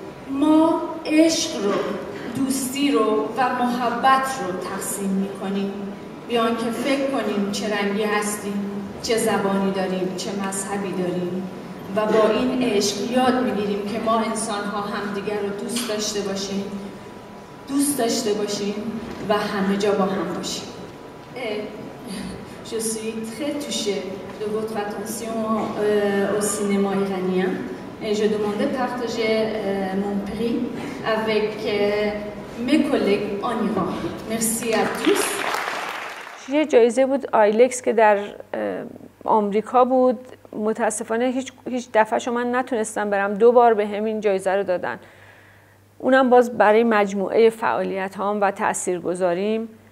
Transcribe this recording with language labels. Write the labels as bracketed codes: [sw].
[fa] ما عشق رو، دوستی رو و محبت رو تقسیم میکنیم، بیان که فکر کنیم چه رنگی هستیم، چه زبانی داریم، چه مذهبی داریم و با این عشق یاد میگیریم که ما انسانها همدیگر رو دوست داشته باشیم، دوست داشته باشیم و همه جا با هم باشیم. [fr] Je suis très touchée de votre attention au cinéma iranien et je demandais partager mon prix avec mes collègues en Iran. Merci à tous. [fa] یه جایزه بود آیلکس که در آمریکا بود. متاسفانه هیچ دفعه‌شو من نتونستم برم، دو بار به همین جایزه رو دادن، اونم باز برای مجموعه فعالیت هام و تأثیر گذاریم.